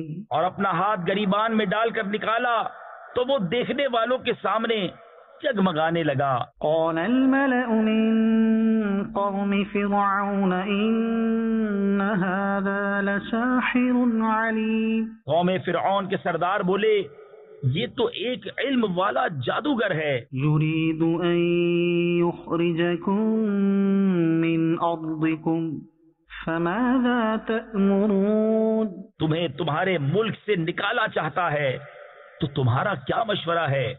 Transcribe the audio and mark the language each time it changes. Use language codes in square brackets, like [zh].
[ur] اور اپنا ہاتھ گریبان میں ڈال کر نکالا تو وہ دیکھنے والوں کے سامنے جگمگانے لگا. [ar] قال الملأ من قوم فرعون ان هذا لساحر عليم. [ur] قوم فرعون کے سردار بولے یہ تو ایک علم والا جادوگر ہے. [ar] يريد ان يخرجكم من ارضكم فماذا تأمرون. [ur] تمہیں تمہارے ملک سے نکالا چاہتا ہے تو تمہارا کیا مشورہ ہے؟